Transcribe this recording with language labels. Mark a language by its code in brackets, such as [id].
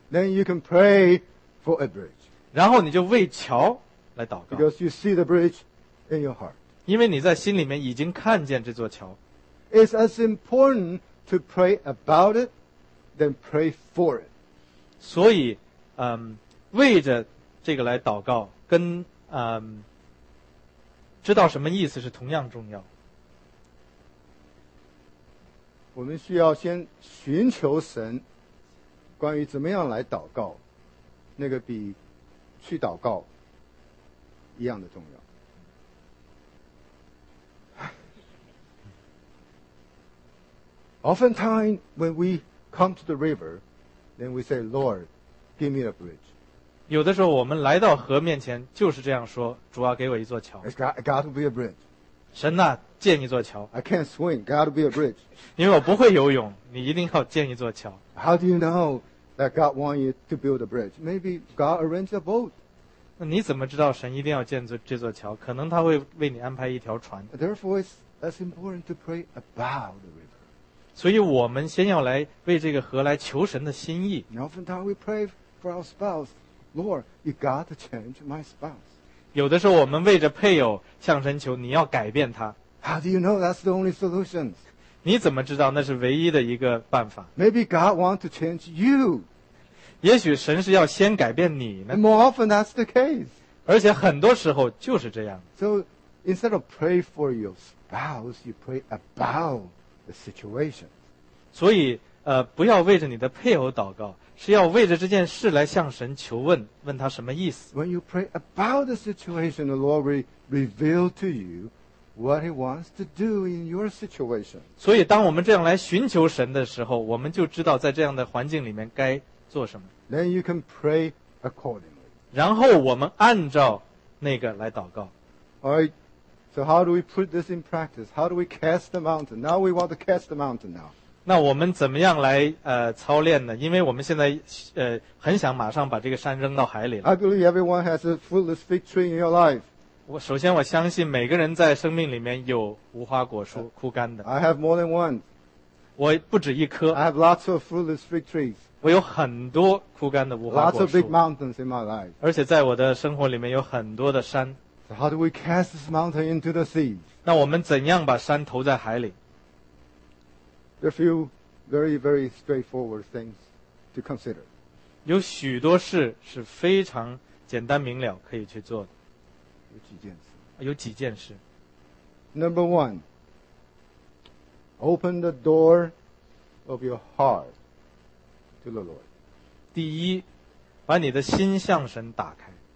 [en] Then you can pray for a bridge. [zh] 然后你就为桥来祷告。 [en] Because you see the bridge in your heart. [zh] 因为你在心里面已经看见这座桥。 [en] It's as important to pray about itThen pray for it. [zh] 所以，为着这个来祷告，跟知道什么意思是同样重要。我们需要先寻求神，关于怎么样来祷告，那个比去祷告一样的重要。 [en] Oftentimes, when we come to the river, then we say, Lord, give me a bridge. [zh] 有的时候我们来到河面前就是这样说，主啊，给我一座桥。 [en] It's got to be a bridge. [zh] 神啊，建一座桥。 [en] I can't swim, got to be a bridge. [zh] 因为我不会游泳，你一定要建一座桥。 [en] How do you know that God wants you to build a bridge? Maybe God arranged a boat. [zh] 那你怎么知道神一定要建这座桥？可能他会为你安排一条船。 [en] Therefore, it's as important to pray about the river. [zh] 所以我们先要来为这个河来求神的心意。 [en] And oftentimes we pray for our spouse. Lord, you got to change my spouse. [zh] 有的时候我们为着配偶向神求，你要改变他。 [en] How do you know that's the only solution? [zh] 你怎么知道那是唯一的一个办法？ [en] Maybe God wants to change you. [zh] 也许神是要先改变你呢。 [en] More often that's the case. [zh] 而且很多时候就是这样。 [en] So instead of pray for your spouse, you pray about the situation. [zh] 所以不要为着你的配偶祷告。是要为着这件事来向神求问，问他什么意思。 [en] When you pray about the situation, the Lord will reveal to you what He wants to do in your situation. [zh] 所以，当我们这样来寻求神的时候，我们就知道在这样的环境里面该做什么。 [en] Then you can pray accordingly. [zh] 然后我们按照那个来祷告。 [en] All right. So how do we put this in practice? How do we cast the mountain? Now we want to cast the mountain now. [zh] 那我们怎么样来操练呢？因为我们现在很想马上把这个山扔到海里了。 [en] I believe everyone has a fruitless fig tree in your life. [zh] 首先我相信每个人在生命里面有无花果树枯干的。 [en] I have more than one. [zh] 我不止一棵。 [en] I have lots of fruitless fig trees. [zh] 我有很多枯干的无花果树。 [en] Lots of big mountains in my life. [zh] 而且在我的生活里面有很多的山。 [en] So how do we cast this mountain into the sea? [zh] 那我们怎样把山投在海里？ [en] There are a few very, very straightforward things to consider. [zh] 有许多事是非常简单明了可以去做的。有几件事。 [en] Number one, open the door of your heart to the Lord. [zh] 第一，把你的心向神打开。